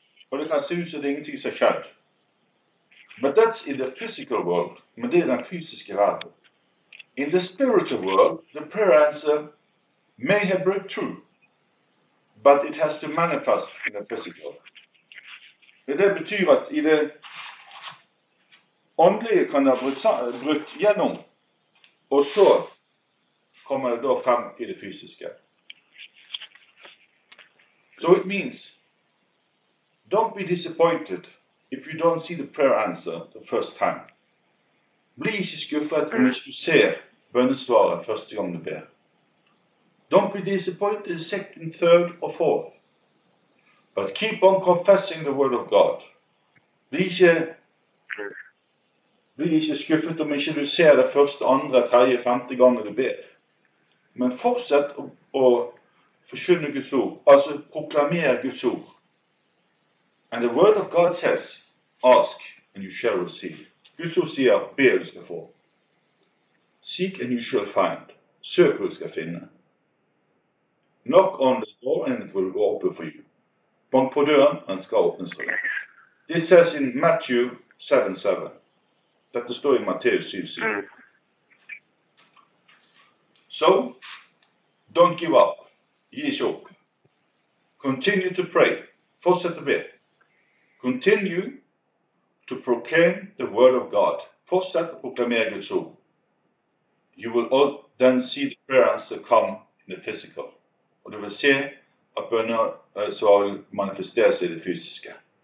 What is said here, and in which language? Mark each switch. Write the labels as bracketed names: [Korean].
[Norwegian] Og det kan se ut som det er ingenting som har skjedd. [English] But that's in the physical world. [Norwegian] Men det er den fysiske verden. [English] In the spiritual world, the prayer answer may have broke through. But it has to manifest in the physical. [Norwegian] Det betyr at i det åndelige kan det ha brukt gjennom. Og så kommer det da frem i det fysiske. [English] So it means, don't be disappointed if you don't see the prayer answer the first time. [Norwegian] Bli ikke skuffet om du ser bønnesvaret første gang du ber. [English] Don't be disappointed the second, third or fourth. But keep on confessing the word of God. [Norwegian] Bli ikke skuffet om ikke du ser det første, andre, tredje, femte gang du ber. Men fortsett å forkynne Guds ord. Altså proklamere Guds ord. [English] And the word of God says, ask and you shall receive. [Norwegian] Guds ord sier, be du skal få. [English] Seek and you shall find. [Norwegian] Søk du skal finne. [English] Knock on the door and it will go open for you. [Norwegian] Bank på døren, han skal åpnes for deg. [English] This says in Matthew 7:7. [Norwegian] Dette står i Matteus 7:7. [English] So, don't give up. [Norwegian] Gi ikke opp. [English] Continue to pray. [Norwegian] Fortsett å be. [English] Continue to proclaim the word of God. [Norwegian] fortsatt å proklamere Guds ord. [English] You will all then see the prayers that come in the physical. [Norwegian] Og du vil se at bønner så vil manifestere seg i det fysiske.